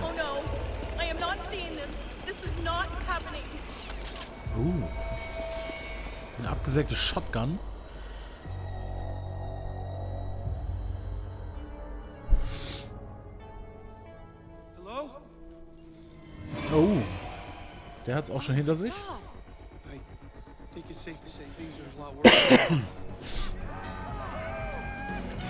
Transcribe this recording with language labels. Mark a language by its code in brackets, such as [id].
[en] Oh no, I am not seeing this. This is not happening. [de] Eine abgesägte Shotgun. [en] Hello? Oh. [de] Der hat's auch schon hinter sich. [en] I think it's safe to say things are a lot worse.